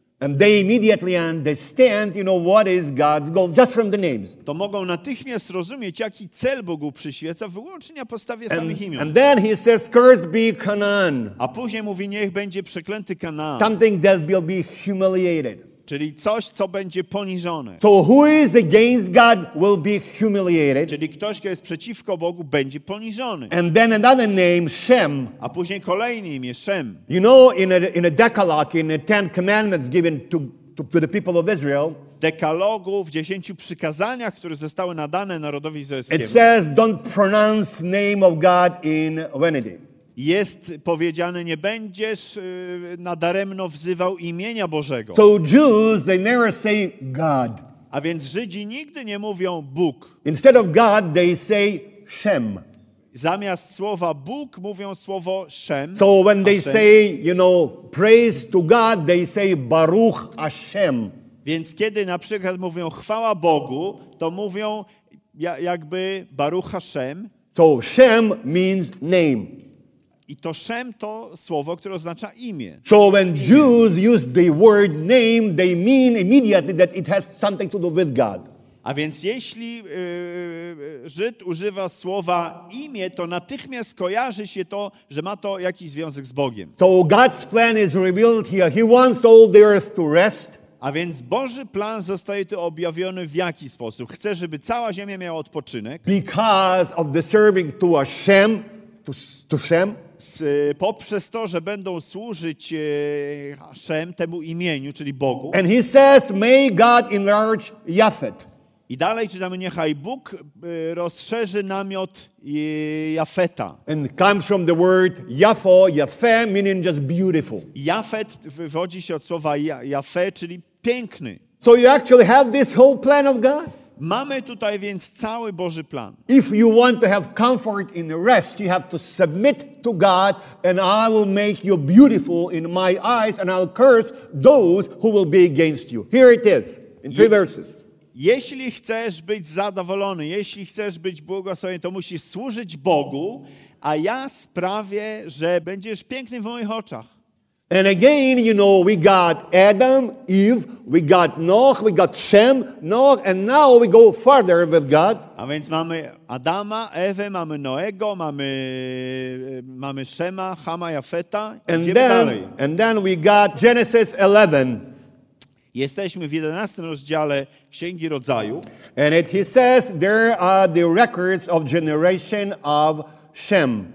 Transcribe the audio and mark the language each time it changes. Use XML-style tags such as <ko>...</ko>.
<en>and they immediately understand, you know, what is God's goal, just from the names.</en> <pl>To mogą natychmiast rozumieć, jaki cel Bogu przyświeca, wyłącznie na podstawie samych imion.</pl> <en>And then he says, cursed be Canaan.</en> <pl>A później mówi, niech będzie przeklęty Kanaan.</pl> <en>Something that will be humiliated.</en> <pl>Czyli coś, co będzie poniżone.</pl> <en>So who is against God will be humiliated.</en> <pl>Czyli ktoś, kto jest przeciwko Bogu, będzie poniżony.</pl> <en>And then another name, Shem.</en> <pl>A później kolejny imię, Shem.</pl> <en>You know, in a Decalogue, in the Ten Commandments given to to the people of Israel,</en> <pl>dekalogu, w 10 przykazaniach, które zostały nadane narodowi izraelskiemu.</pl> <en>It says don't pronounce name of God in vanity.</en> <pl>Jest powiedziane, nie będziesz nadaremno wzywał imienia Bożego.</pl> <en>So Jews, they never say God.</en> <pl>A więc Żydzi nigdy nie mówią Bóg.</pl> <en>Instead of God, they say Shem.</en> <pl>Zamiast słowa Bóg mówią słowo Shem.</pl> <en>So when they say, you know, praise to God, they say</en> <he>Baruch Hashem.</he> <pl>Więc kiedy na przykład mówią chwała Bogu, to mówią jakby</pl> <he>Baruch Hashem.</he> <en>So Shem means name.</en> <pl>I to Shem to słowo, które oznacza imię.</pl> <en>So when</en> <pl>imię.</pl> <en>Jews use the word name, they mean immediately that it has something to do with God.</en> <pl>A więc jeśli Żyd używa słowa imię, to natychmiast kojarzy się to, że ma to jakiś związek z Bogiem.</pl> <en>So God's plan is revealed here. He wants all the earth to rest.</en> <pl>A więc Boży plan zostaje tu objawiony w jaki sposób? Chce, żeby cała ziemia miała odpoczynek.</pl> <en>Because of the serving to Hashem, to Shem.</en> <pl>Poprzez to, że będą służyć Hashem, temu imieniu, czyli Bogu.</pl> <en>And he says, may God enlarge Yafet.</en> <pl>I dalej czytamy, niechaj Bóg rozszerzy namiot Jafeta.</pl> <en>And comes from the word Yafo, Yafe, meaning just beautiful.</en> <pl>Jafet wywodzi się od słowa Jafe, czyli piękny.</pl> <en>So you actually have this whole plan of God?</en> <pl>Mamy tutaj więc cały Boży plan.</pl> <en>If you want to have comfort in rest, you have to submit to God and I will make you beautiful in my eyes and I'll curse those who will be against you. Here it is, in three verses.</en> <pl>Jeśli chcesz być zadowolony, jeśli chcesz być błogosławiony, to musisz służyć Bogu, a ja sprawię, że będziesz piękny w moich oczach.</pl> <en>And again, you know, we got Adam, Eve, we got Noah, we got Shem, Noah, and now we go further with God.</en> <pl>A więc mamy Adama, Ewę, mamy Noego, mamy Shema, Hama, Jafeta.</pl> <en>And then we got Genesis 11.</en> <pl>Jesteśmy w 11 rozdziale Księgi Rodzaju.</pl> <en>And it, he says, there are the records of generation of Shem.</en>